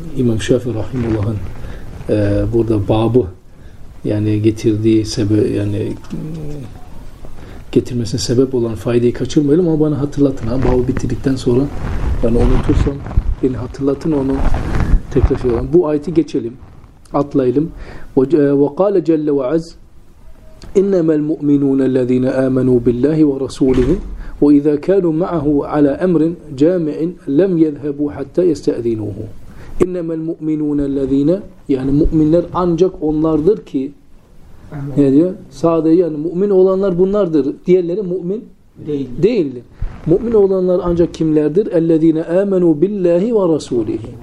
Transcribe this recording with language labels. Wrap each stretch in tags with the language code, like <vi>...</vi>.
<tr>İmam Şafii Rahimullah'ın burada babı yani getirdiği sebep, yani getirmesine sebep olan faydayı kaçırmayalım ama bana hatırlatın. Ha? Babı bitirdikten sonra yani unutursam beni hatırlatın, onu tekrar şey olan. Bu ayeti geçelim, atlayalım.</tr> <ar>وقال جل وعز إنما المؤمنون الذين آمنوا بالله ورسوله وإذا كانوا معه على أمر جامع لم يذهبوا حتى يستأذنوه. إنما المؤمنون الذين يعني</ar> <tr>مؤمنler ancak onlardır ki ne diyor? Sadece yani mümin olanlar bunlardır. Diğerleri mümin değildir. Mümin olanlar ancak kimlerdir?</tr> <ar>الذين آمنوا بالله ورسوله.</ar>